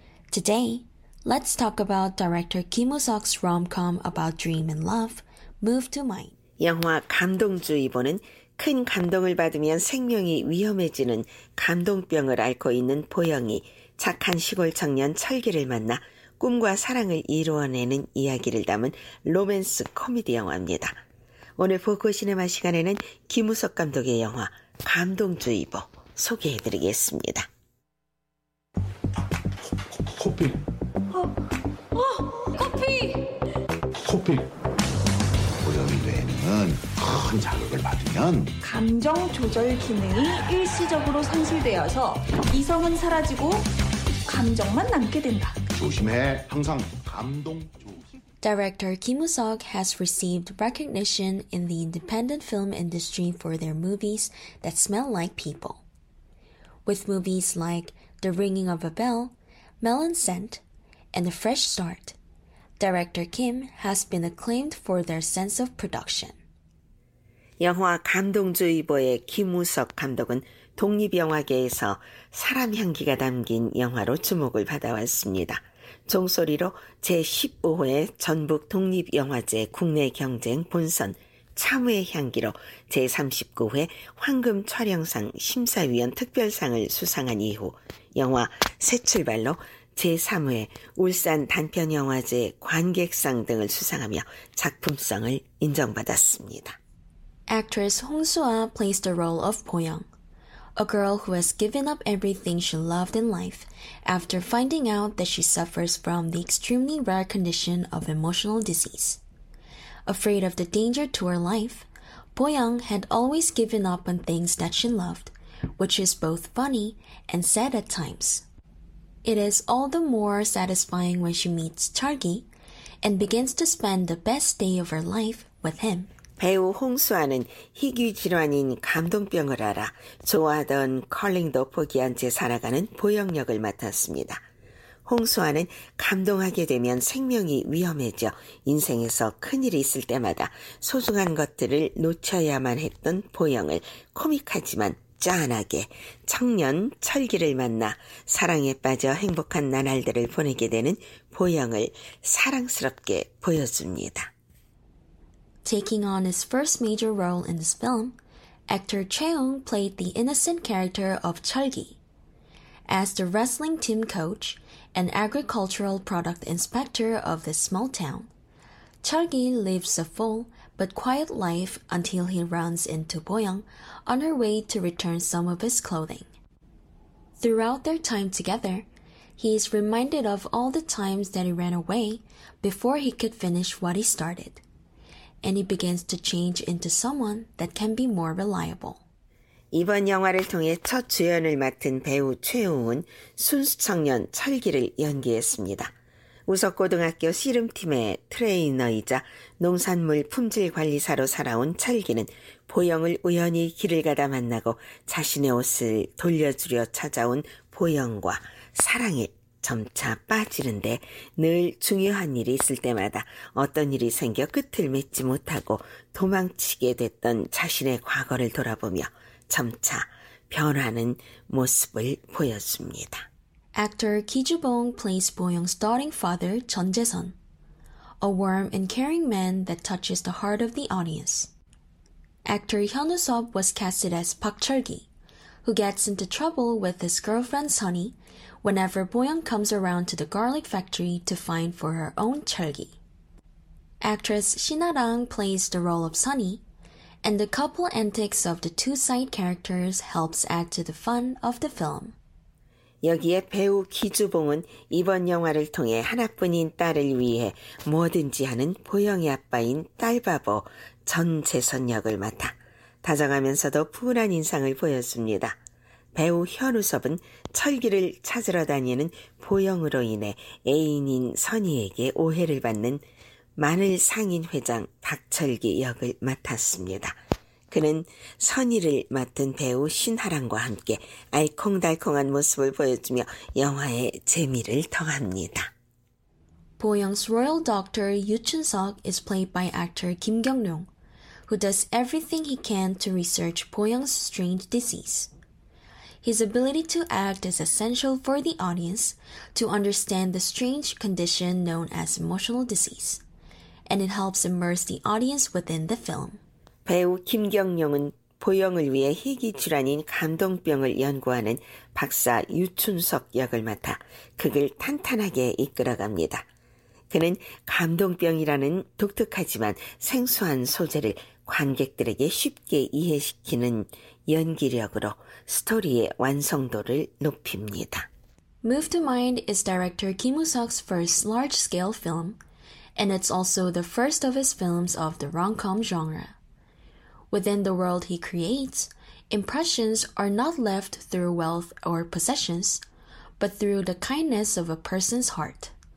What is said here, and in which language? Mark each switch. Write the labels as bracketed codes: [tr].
[en] Today, let's talk about director Kim Woo-seok's rom-com about dream and love, Move to Mind. [ko] 영화 감동주의보는 큰 감동을 받으면 생명이 위험해지는 감동병을 앓고 있는 보영이 착한 시골 청년 철기를 만나 꿈과 사랑을 이루어내는 이야기를 담은 로맨스 코미디 영화입니다. 오늘 보코시네마 시간에는 김우석 감독의 영화 감동주의보 소개해드리겠습니다. 커피. 커피. 커피. 고정이 되는 큰 자극을 받으면 감정 조절 기능이 일시적으로 상실되어서 이성은 사라지고 감정만 남게 된다. 조심해. 항상 감동 조심. [en] Director Kim Woo-seok has received recognition in the independent film industry for their movies that smell like people. With movies like The Ringing of a Bell, Melon Scent, and A Fresh Start, Director Kim has been acclaimed for their sense of production. [ko] 영화 감동주의보의 김우석 감독은 독립영화계에서 사람 향기가 담긴 영화로 주목을 받아왔습니다. 종소리로 제15회 전북 독립영화제 국내 경쟁 본선 참외 향기로 제39회 황금 촬영상 심사위원 특별상을 수상한 이후 영화 새 출발로 제3회 울산 단편영화제 관객상 등을 수상하며 작품성을 인정받았습니다. [en] Actress Hong Soo-ah plays the role of Po-young, a girl who has given up everything she loved in life after finding out that she suffers from the extremely rare condition of emotional disease. Afraid of the danger to her life, Po-young had always given up on things that she loved, which is both funny and sad at times. It is all the more satisfying when she meets Chargi and begins to spend the best day of her life with him. [ko] 배우 홍수아는 희귀 질환인 감동병을 알아 좋아하던 컬링도 포기한 채 살아가는 보영 역을 맡았습니다. 홍수아는 감동하게 되면 생명이 위험해져 인생에서 큰일이 있을 때마다 소중한 것들을 놓쳐야만 했던 보영을 코믹하지만 짠하게 청년 철기를 만나 사랑에 빠져 행복한 나날들을 보내게 되는 보영을 사랑스럽게 보여줍니다. [en] Taking on his first major role in this film, actor Cheong played the innocent character of Chalgi. As the wrestling team coach and agricultural product inspector of this small town, Chalgi lives a full but quiet life until he runs into Po-young on her way to return some of his clothing. Throughout their time together, he is reminded of all the times that he ran away before he could finish what he started. And he begins to change into someone that can be more reliable. [ko] 이번 영화를 통해 첫 주연을 맡은 배우 최웅은 순수 청년 철기를 연기했습니다. 우석 고등학교 씨름팀의 트레이너이자 농산물 품질 관리사로 살아온 철기는 보영을 우연히 길을 가다 만나고 자신의 옷을 돌려주려 찾아온 보영과 사랑에 점차 빠지는데 늘 중요한 일이 있을 때마다 어떤 일이 생겨 끝을 맺지 못하고 도망치게 됐던 자신의 과거를 돌아보며 점차 변하는 모습을 보여줍니다. [en] Actor Ki Ju-bong plays Bo-young's doting father, Chun Jae-sun, a warm and caring man that touches the heart of the audience. Actor Hyun Woo-seop was casted as Park Chul-gi, who gets into trouble with his girlfriend Sunny whenever Bo-young comes around to the garlic factory to find for her own chalgi. Actress Shin-ah-rang plays the role of Sunny, and the couple antics of the two side characters helps add to the fun of the film. [ko] 여기에 배우 기주봉은 이번 영화를 통해 하나뿐인 딸을 위해 뭐든지 하는 보영의 아빠인 딸바보 전재선 역을 맡아 다정하면서도 푸근한 인상을 보였습니다. 배우 현우섭은 철기를 찾으러 다니는 보영으로 인해 애인인 선희에게 오해를 받는 마늘 상인 회장 박철기 역을 맡았습니다. 그는 선희를 맡은 배우 신하랑과 함께 알콩달콩한 모습을 보여주며 영화의 재미를 더합니다. [en] Bo-young's royal doctor Yoo Chun-seok is played by actor Kim Kyung-ryong, who does everything he can to research Bo-young's strange disease. His ability to act is essential for the audience to understand the strange condition known as emotional disease, and it helps immerse the audience within the film. [ko] 배우 김경룡은 보영을 위해 희귀 질환인 감동병을 연구하는 박사 유춘석 역을 맡아 극을 탄탄하게 이끌어갑니다. 그는 감동병이라는 독특하지만 생소한 소재를 관객들에게 쉽게 이해시키는 연기력으로 스토리의 완성도를 높입니다. [en] Move to Mind is director Kim Woo-seok's first large-scale film, and it's also the first of his films of the rom-com genre. Within the world he creates, impressions are not left through wealth or possessions, but through the kindness of a person's heart.